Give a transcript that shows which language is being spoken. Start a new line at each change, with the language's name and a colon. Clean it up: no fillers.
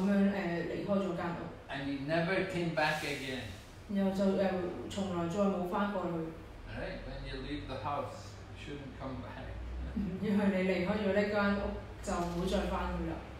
Chinese: 因為深夜就這樣離開了間屋。
English: And he never came back again.
Chinese: 然後就從來再沒有回過去。
English: Right, when you leave the house, you shouldn't come back.
Chinese: 因為你離開了這間屋，就不會再回去了。